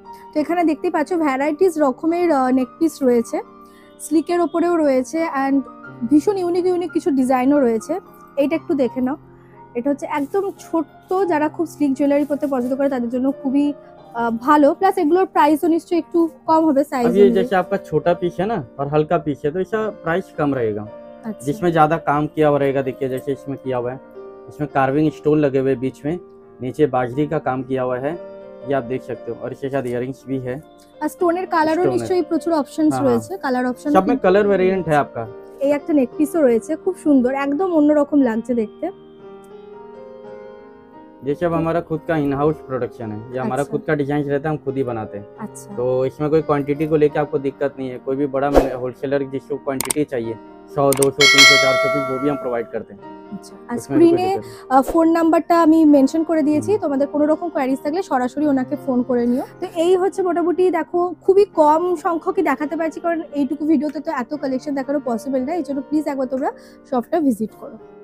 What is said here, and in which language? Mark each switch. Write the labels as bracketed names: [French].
[Bangla] তো এখানে দেখতে পাচ্ছ ভ্যারাইটিস রকমের নেক পিস রয়েছে, স্লিকের উপরেও রয়েছে অ্যান্ড ভীষণ ইউনিক ইউনিক কিছু ডিজাইনও রয়েছে। এইটা একটু দেখে নাও, এটা হচ্ছে একদম ছোট্ট, যারা খুব স্লিক জুয়েলারি পরতে পছন্দ করে তাদের জন্য খুবই ভালো। প্লাস এগুলোর প্রাইসও নিশ্চয়ই একটু কম হবে সাইজে। এই যেটা আপনার ছোট পিস না আর হালকা পিস তো এটা প্রাইস কম রহেগা। [Hindi] আচ্ছা, जिसमें ज्यादा काम किया हुआ रहेगा, देखिए जैसे इसमें किया हुआ है, इसमें कार्विंग स्टोन लगे हुए बीच में, नीचे बाजरी का काम किया हुआ है, ये आप देख सकते हो। और इसके साथ इयररिंग्स भी है। [Bangla] স্টোনের কালারও নিশ্চয়ই প্রচুর অপশনস রয়েছে, কালার অপশন [Hindi] সব में কালার ভেরিয়েন্ট है आपका। [Bangla] এই একটা নেক পিসও রয়েছে, খুব সুন্দর, একদম অন্যরকম লাগছে দেখতে। [Hindi] ये सब हमारा खुद का इन हाउस प्रोडक्शन है, ये हमारा खुद का डिजाइन रहता है, हम खुद ही बनाते हैं। अच्छा, तो इसमें कोई क्वांटिटी को लेकर आपको दिक्कत नहीं है। कोई भी बड़ा होलसेलर जिसको क्वांटिटी चाहिए 100, 200, 300, 400 पीस, वो भी हम प्रोवाइड करते हैं। [Bangla] আচ্ছা, স্ক্রিনে ফোন নাম্বারটা আমি মেনশন করে দিয়েছি, তোমাদের কোনো রকম কোয়ারিজ থাকলে সরাসরি ওনাকে ফোন করে নিও। তো এই হচ্ছে মোটামুটি দেখো খুবই কম সংখ্যকই দেখাতে পারছি, কারণ এইটুকু ভিডিওতে তো এত কালেকশন দেখানো পসিবল না। এই জন্য প্লিজ একবার তোমরা শপটা ভিজিট করো।